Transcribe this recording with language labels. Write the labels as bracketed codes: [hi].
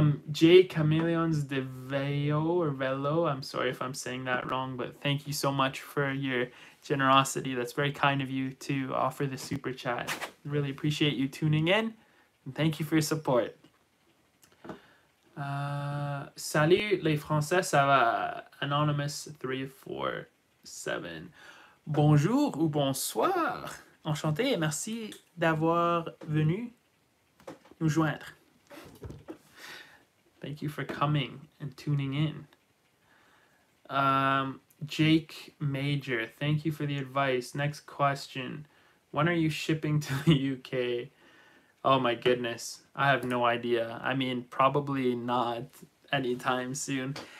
[en] J Chameleons de Veo or Velo, I'm sorry if I'm saying that wrong, but thank you so much for your generosity. That's very kind of you to offer the super chat. Really appreciate you tuning in and thank you for your support. [fr] Salut les Français, ça va? Anonymous 347. Bonjour ou bonsoir. Enchanté et merci d'avoir venu nous joindre. [en] Thank you for coming and tuning in. Jake Major, thank you for the advice. Next question. When are you shipping to the UK? Oh my goodness. I have no idea. I mean, probably not anytime soon.